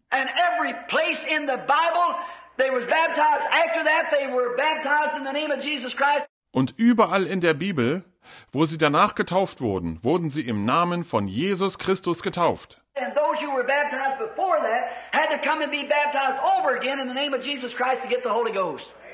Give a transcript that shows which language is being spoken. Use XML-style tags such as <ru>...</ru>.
<en>And every place in the Bible, they was baptized. After that, they were baptized in the name of Jesus Christ.</en> <de>Und überall in der Bibel, wo sie danach getauft wurden, wurden sie im Namen von Jesus Christus getauft.</de> <en>And those who were baptized before that had to come and be baptized over again in the name of Jesus Christ to get the Holy Ghost.</en>